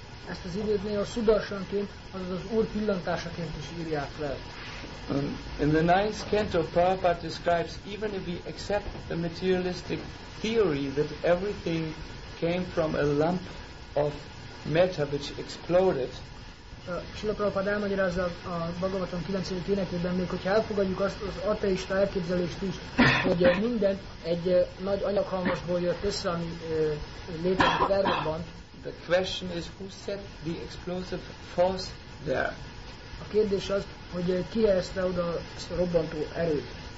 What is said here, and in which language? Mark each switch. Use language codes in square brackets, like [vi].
[hu] Ezt az időt néha Sudarshanként, azaz az Úr pillantásaként is írják le. [en] In the ninth canto, Prabhupada describes, even if we accept the materialistic theory that everything came from a lump of matter which exploded. [hu] Srila Prabhupada elmagyarázza a Bhagavatam 9. énekében, még hogyha elfogadjuk azt az ateista elképzelést is, hogy minden egy nagy anyaghalmazból jött össze, ami létezik felrobbant. [en] The question is, who set the explosive force there? [hu] A kérdés az, hogy ki helyezte oda ezt a robbantó erőt.